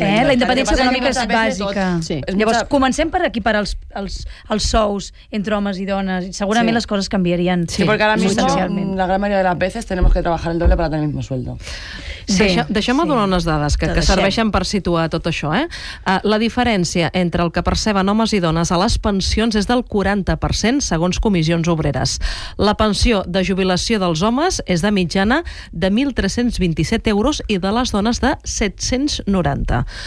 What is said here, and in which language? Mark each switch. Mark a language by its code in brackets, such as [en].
[ca] La independència econòmica és bàsica. Sí. Llavors, comencem per equiparar els sous entre homes i dones. Segurament, sí, les coses canviarien. Sí, perquè [es] ara mismo, [ca] la gran majoria de les [es] veces, tenemos que trabajar el doble para tener el mismo sueldo. Sí. [ca] Deixem-me, sí, donar unes dades que serveixen per situar tot això. La diferència entre el que perceben homes i dones a les pensions és del 40%, segons Comissions Obreres. La pensió de jubilació dels homes és de mitjana de 1.327 euros i de les dones de 790.